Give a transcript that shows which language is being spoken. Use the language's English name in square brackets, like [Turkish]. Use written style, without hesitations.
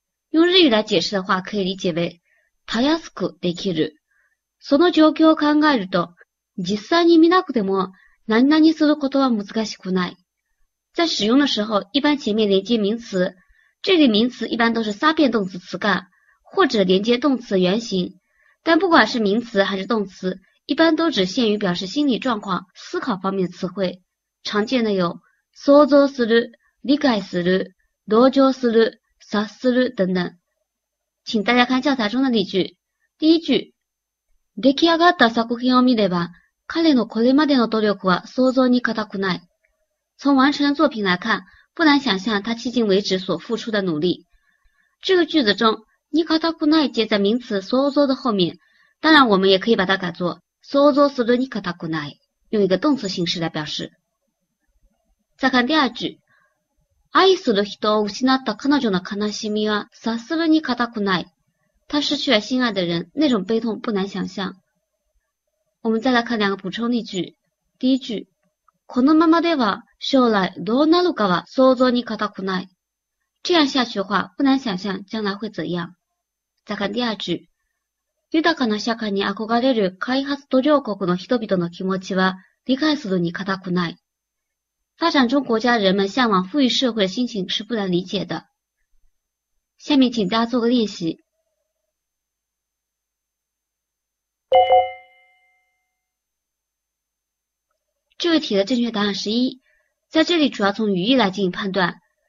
[Chinese] 用日语来解释的话可以理解为 [Japanese] たやすくできる。その状況を考えると実際に見なくても何々することは難しくない。 [Chinese] 在使用的时候一般前面连接名词，这里名词一般都是撒变动词词干或者连接动词原型，但不管是名词还是动词一般都只限于表示心理状况思考方面的词汇，常见的有想像する、理解する、同情する、察する等等。请大家看教材中的例句。第一句， [Japanese] 出来上がった作品を見れば彼のこれまでの努力は想像に難くない。 [Chinese] 从完成作品来看，不难想象他迄今为止所付出的努力。这个句子中，你可たくない接在名词想像的后面，当然我们也可以把它改作想像するにかたくない，用一个动词形式来表示。再看第二句， [Japanese] 愛する人を失った彼女の悲しみは察するにかたくない。 [Chinese] 他失去了心爱的人，那种悲痛不难想象。我们再来看两个补充例句。第一句， [Japanese] このままでは将来どうなるかは想像にかたくない。 [Chinese] 这样下去的话，不难想象将来会怎样。再看第二句， [Japanese] 豊かな社会に憧れる開発途上国の人々の気持ちは理解するに難くない。 [Chinese] 发展中国家人们向往富裕社会的心情是不难理解的。下面请大家做个练习。这个题的正确答案是一，在这里主要从语义来进行判断。